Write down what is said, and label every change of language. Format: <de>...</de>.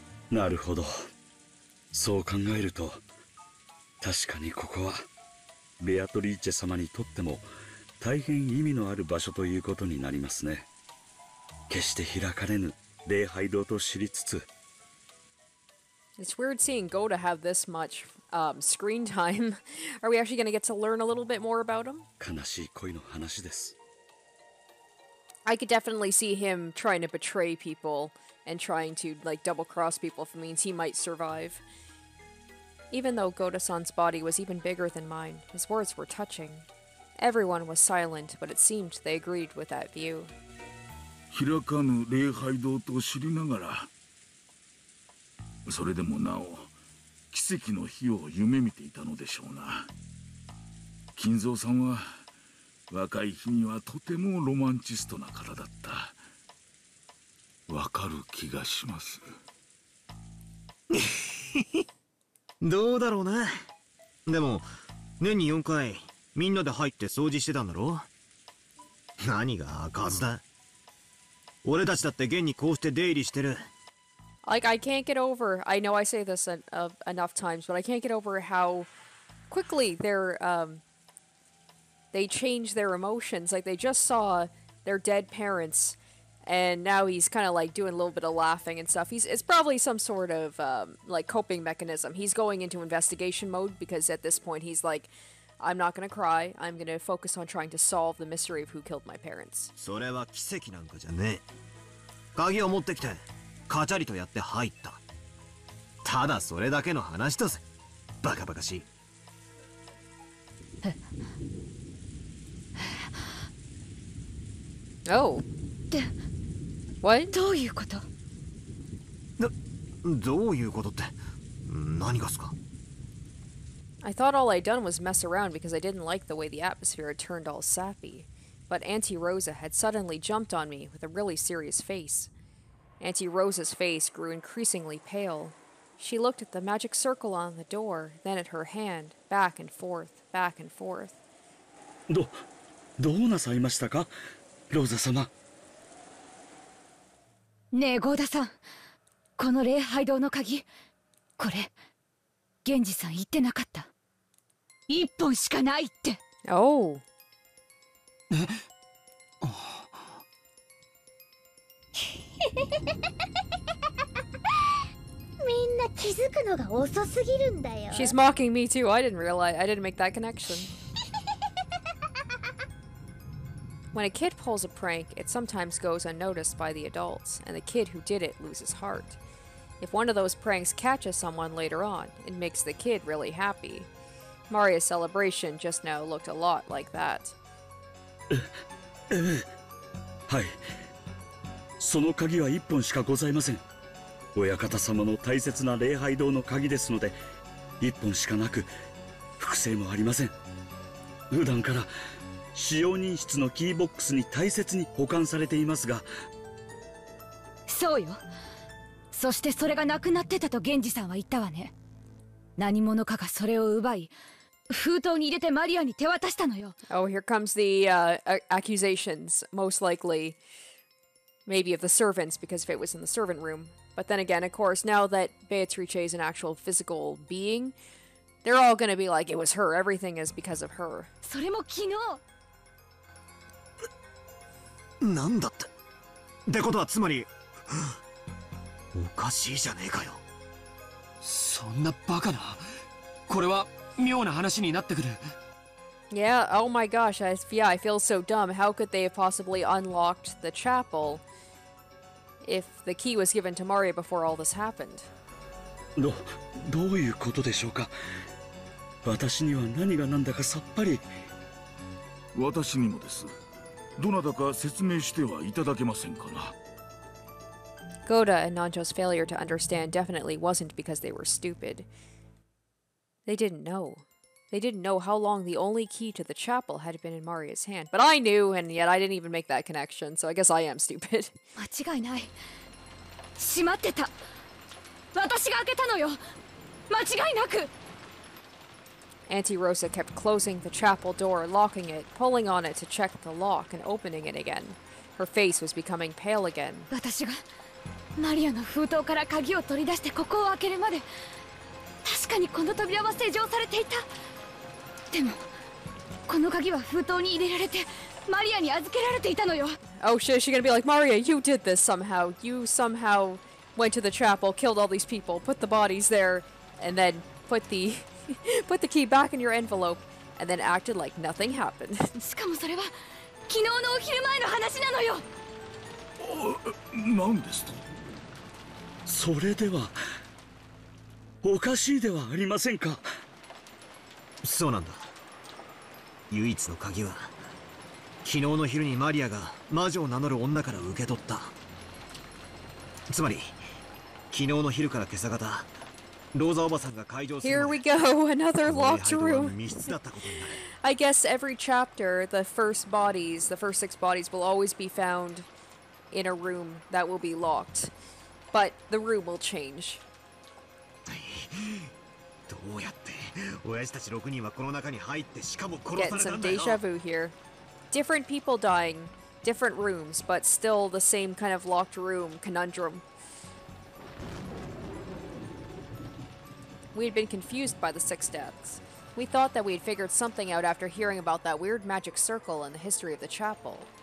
<ja>なるほど、そう考えると確かにここはベアトリーチェ様にとっても大変意味のある場所ということになりますね。決して開かれぬ礼拝堂と知りつつ。</ja> <en>It's weird seeing Goda have this much screen time. Are we actually going to get to learn a little bit more about him?</en> <ja>悲しい恋の話です。</ja> <en>I could definitely see him trying to betray people and trying to like double cross people if it means he might survive. Even though Goda-san's body was even bigger than mine, his words were touching. Everyone was silent, but it seemed they agreed with that view.</en> <ja>開かぬ礼拝堂と知りながら、それでもなお奇跡の日を夢見ていたのでしょうな。金蔵さんは若い日にはとてもロマンチストな方だった。わかる気がします。どうだろうな。でも年に4回みんなで入って掃除してたんだろ。何が開かずだ。俺たちだって現にこうして出入りしてる。</ja> <en>Like I can't get over, I know I say this enough times, but I can't get over how quickly they're they change their emotions. Like they just saw their dead parents and now he's kind of like doing a little bit of laughing and stuff. It's probably some sort of like coping mechanism. He's going into investigation mode because at this point he's like, I'm not going to cry. I'm going to focus on trying to solve the mystery of who killed my parents.</en> <ja>それは奇跡なんかじゃねえ。鍵を持ってきて、カチャリとやって入った。ただそれだけの話だぜ。バカバカしい。</ja> <en>Oh. What?</en> <ja>どういうこと？どういうことって、何がすか？</ja> <en>I thought all I'd done was mess around because I didn't like the way the atmosphere had turned all sappy. But Auntie Rosa had suddenly jumped on me with a really serious face. Auntie Rosa's face grew increasingly pale. She looked at the magic circle on the door, then at her hand, back and forth, back and forth.</en> <ja>どうなさいましたか？ローザ様。ねえゴーダさん、この礼拝堂の鍵、これゲンジさん言ってなかった？一本しかないって。おう、みんな気づくのが遅すぎるんだよ。</ja> <en>She's mocking me too. I didn't realize, I didn't make that connection. When a kid pulls a prank, it sometimes goes unnoticed by the adults, and the kid who did it loses heart. If one of those pranks catches someone later on, it makes the kid really happy. Maria's celebration just now looked a lot like that.</en> <ja>はい。その鍵は一本しかございません。親方様の大切な礼拝堂の鍵ですので、一本しかなく、複製もありません。普段から使用人室のキーボックスに大切に保管されていますが。そうよ。そしてそれがなくなってたとゲンジさんは言ったわね。何者かがそれを奪い封筒に入れてマリアに手渡したのよ。</ja> <en>Oh, here comes the accusations, most likely maybe of the servants, because if it was in the servant room. But then again, of course, now that Beatrice is an actual physical being, they're all gonna be like, it was her, everything is because of her.</en> <ja>それも昨日。なんだって。ってことはつまり、おかしいじゃねえかよ。そそんなバカな。これは妙な話になってくる。</ja> <en>Yeah, oh my gosh, I feel so dumb. How could they have possibly unlocked the chapel if the key was given to Mario before all this happened?</en> <ja>どういうことでしょうか。私には何がなんだかさっぱり。私にもです。どなたか説明してはいただけませんかな。</ja> <en>Goda and Nanjo's failure to understand definitely wasn't because they were stupid. They didn't know. They didn't know how long the only key to the chapel had been in Maria's hand. But I knew, and yet I didn't even make that connection, so I guess I am stupid.</en> <ja>間違いない。閉まってた。私が開けたのよ。間違いなく。</ja> <en>Auntie Rosa kept closing the chapel door, locking it, pulling on it to check the lock, and opening it again. Her face was becoming pale again.</en> <ja>私がマリアの封筒から鍵を取り出してここを開けるまで、確かにこの扉は施錠されていた。でもこの鍵は封筒に入れられてマリアに預けられていたのよ。</ja> <en>Oh shit, she's gonna be like, Maria, you did this somehow. You somehow went to the chapel, killed all these people, put the bodies there, and then put the key back in your envelope, and then acted like nothing happened.</en> <ja>しかもそれは昨日のお昼前の話なのよ。何ですと？それではおかしいではありませんか。そうなんだ。唯一の鍵は昨日の昼にマリアが魔女を名乗る女から受け取った。つまり昨日の昼から今朝方、ローザおばさんが会場するまで。</ja> <en>Here we go, another locked room.</en> <ja>この礼拝堂は密室だったことになる。</ja> <en>I guess every chapter, the first six bodies will always be found in a room that will be locked. But the room will change.</en> <ja>どうやって親父たち6人はこの中に入ってしかも殺されたんだよ。</ja> <en>Get some deja vu here. Different people dying, different rooms, but still the same kind of locked room conundrum. We had been confused by the six deaths. We thought that we had figured something out after hearing about that weird magic circle and the history of the chapel.</en>